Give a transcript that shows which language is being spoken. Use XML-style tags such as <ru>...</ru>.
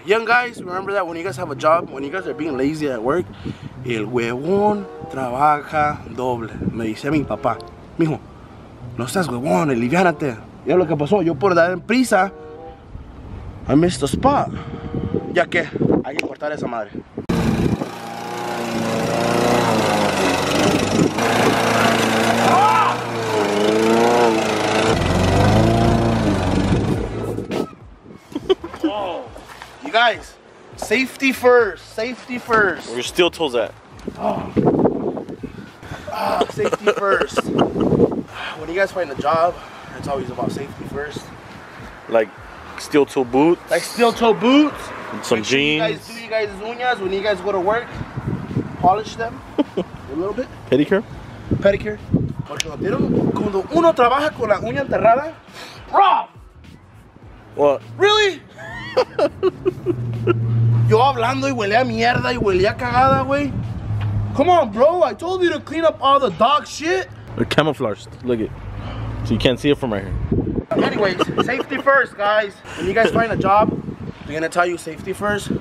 <en>Young guys, remember that when you guys have a job, when you guys are being lazy at work,</en> <es>el huevón trabaja doble. Me dice mi papá, mijo, no seas huevón, aliviánate. Y es lo que pasó, yo por dar en prisa,</es> <en>I missed the spot.</en> <es>Ya que, hay que cortar esa madre.</es> <en>Guys, safety first. Safety first. Where your steel toes at? Safety first. When you guys find a job, it's always about safety first. Like steel toe boots. Like steel toe boots. And some make sure jeans. You guys do you guys' uñas when you guys go to work? Polish them a little bit. Pedicure. Pedicure.</en> <es>Porque cuando uno trabaja con la uña enterrada, bro.</es> <en>What? Really?</en> <es>Yo hablando y huele a mierda y huele a cagada, güey.</es> <en>Come on, bro. I told you to clean up all the dog shit. They're camouflaged. Look it. So you can't see it from right here. Anyways, safety first, guys. When you guys find a job, they're gonna tell you safety first.</en>